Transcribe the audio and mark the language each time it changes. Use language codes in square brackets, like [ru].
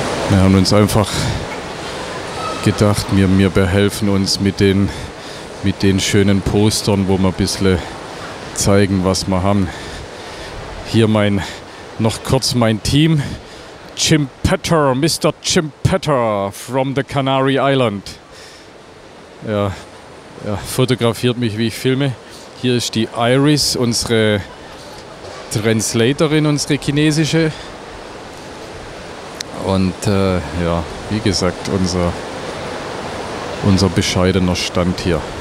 [de] Wir haben uns einfach gedacht, wir behelfen uns mit den schönen Postern, wo wir ein bisschen zeigen, was wir haben. Hier noch kurz mein Team. Jim Petter, Mr. [en] Jim Petter from the Canary Island. [de] Er fotografiert mich, wie ich filme. Hier ist die Iris, unsere Translatorin, unsere chinesische. Und ja, wie gesagt, unser bescheidener Stand hier.